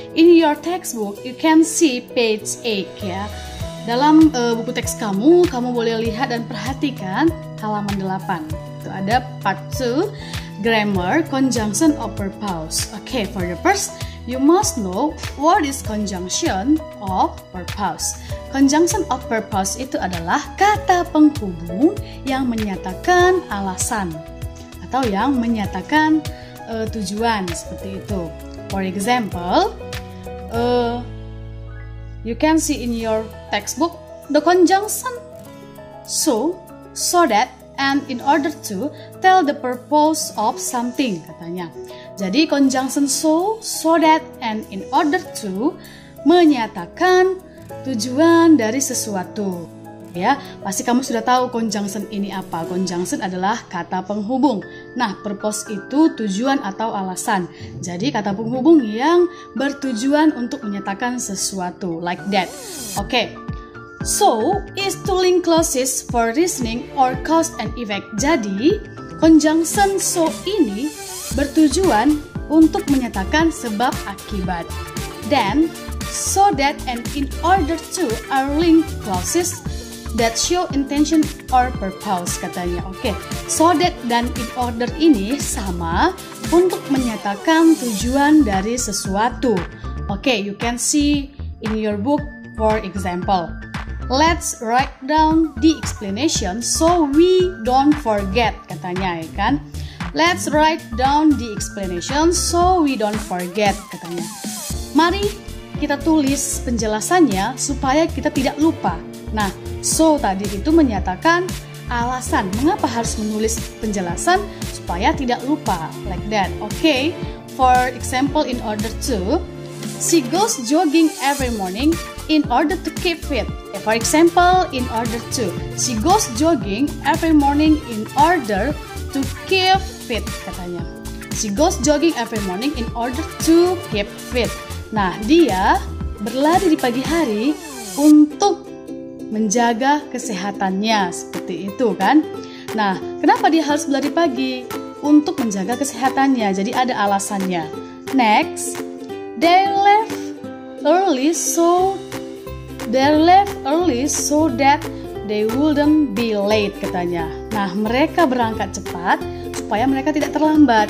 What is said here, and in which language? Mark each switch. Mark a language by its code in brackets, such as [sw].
[en] In your textbook, you can see page 8, ya. [id] Dalam buku teks kamu, kamu boleh lihat dan perhatikan halaman 8. Itu ada [en] part 2, grammar, conjunction of purpose. Okay, for the first, you must know what is conjunction of purpose. [id] Conjunction of purpose itu adalah kata penghubung yang menyatakan alasan atau yang menyatakan tujuan, seperti itu. [en] For example, you can see in your textbook, the conjunction so that and in order to tell the purpose of something, katanya. [id] Jadi conjunction [en] so that and in order to [id] menyatakan tujuan dari sesuatu, ya. Pasti kamu sudah tahu conjunction ini apa. Conjunction adalah kata penghubung. Nah, purpose itu tujuan atau alasan. Jadi kata penghubung yang bertujuan untuk menyatakan sesuatu, [en] like that. [id] Okay. [en] So is to link clauses for reasoning or cause and effect. [id] Jadi conjunction so ini bertujuan untuk menyatakan sebab akibat. [en] Then so that and in order to are linked clauses that show intention or purpose, katanya. Okay. [id] So that dan in order ini sama untuk menyatakan tujuan dari sesuatu. [en] Okay, you can see in your book, for example. Let's write down the explanation so we don't forget, katanya, [id] ya kan? [en] Let's write down the explanation so we don't forget, katanya. [id] Mari kita tulis penjelasannya supaya kita tidak lupa. Nah, so tadi itu menyatakan alasan. Mengapa harus menulis penjelasan? Supaya tidak lupa. [en] Like that. Okay, for example, in order to, she goes jogging every morning in order to keep fit. For example, in order to, she goes jogging every morning in order to keep fit, katanya. She goes jogging every morning in order to keep fit. [id] Nah, dia berlari di pagi hari untuk menjaga kesehatannya, seperti itu kan. Nah, kenapa dia harus berlari pagi? Untuk menjaga kesehatannya, jadi ada alasannya. [en] Next, they left early so that they wouldn't be late, katanya. [id] Nah, mereka berangkat cepat supaya mereka tidak terlambat.